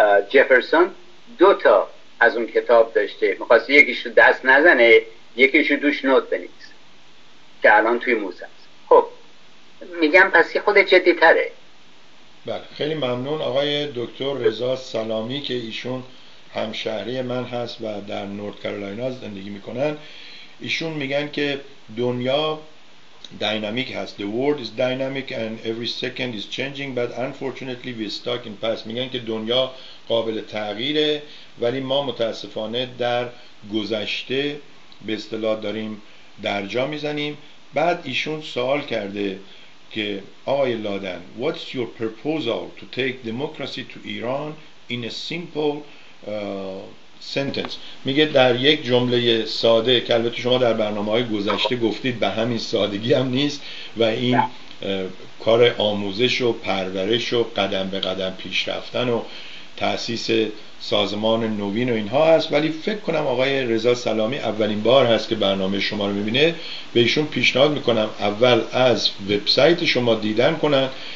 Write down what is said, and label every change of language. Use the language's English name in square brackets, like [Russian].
[Persian] جفرسون دو تا از اون کتاب داشته، میخواست یکیش رو دست نزنه یکیش رو دوش نوت بنویس که الان توی موزه است. خب میگم پس یه خود جدی تره. بله خیلی ممنون آقای دکتر رضا سلامی که ایشون همشهری من هست و در نورت کارولاینا زندگی میکنن. ایشون میگن که دنیا [English] dynamic has the world is dynamic and every second is changing but unfortunately we stuck in past. [Persian] میگن که دنیا قابل تغییره ولی ما متاسفانه در گذشته به اصطلاح داریم درجا میزنیم. بعد ایشون سوال کرده که آقای لادن [English] what's your proposal to take democracy to Iran in a simple sentence. [Persian] میگه در یک جمله ساده که البته شما در برنامه های گذشته گفتید به همین سادگی هم نیست و این کار آموزش و پرورش و قدم به قدم پیش رفتن و تأسیس سازمان نوین و اینها هست، ولی فکر کنم آقای رضا سلامی اولین بار هست که برنامه شما رو میبینه، به ایشون پیشنهاد میکنم اول از وبسایت شما دیدن کنن.